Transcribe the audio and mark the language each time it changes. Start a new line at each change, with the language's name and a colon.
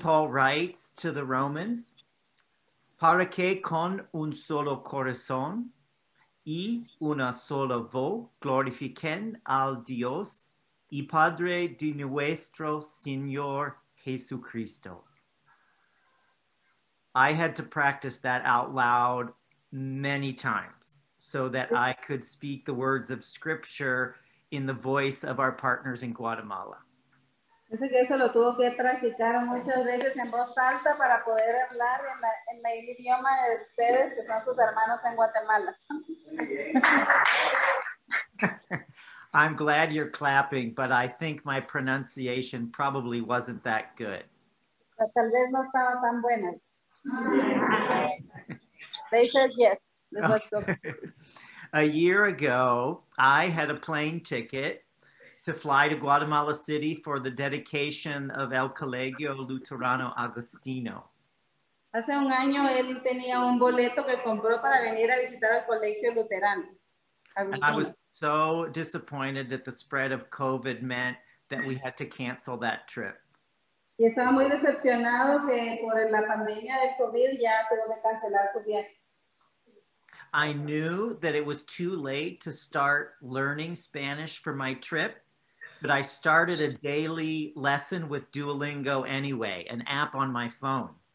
English: Paul writes to the Romans,
Spanish: para que con un solo corazón y una sola voz glorifiquen al Dios y Padre de nuestro Señor Jesucristo.
English: I had to practice that out loud many times so that I could speak the words of scripture in the voice of our partners in Guatemala.
Spanish: Dice que eso lo tuvo que practicar muchas veces en voz alta para poder hablar en el idioma de ustedes, que son sus hermanos en Guatemala.
English: I'm glad you're clapping, but I think my pronunciation probably wasn't that good.
Spanish: Tal vez no estaba tan buena.
English: They said yes. Let's go. A year ago, I had a plane ticket to fly to Guatemala City for the dedication of El Colegio Luterano Agostino.
Spanish: Hace un año él tenía un boleto que compró para venir a visitar el Colegio Luterano
English: Agustino. And I was so disappointed that the spread of COVID meant that we had to cancel that trip.
Spanish: Y estaba muy decepcionado que por la pandemia del COVID ya tuvo que cancelar su viaje.
English: I knew that it was too late to start learning Spanish for my trip, but I started a daily lesson with Duolingo anyway, an app on my phone.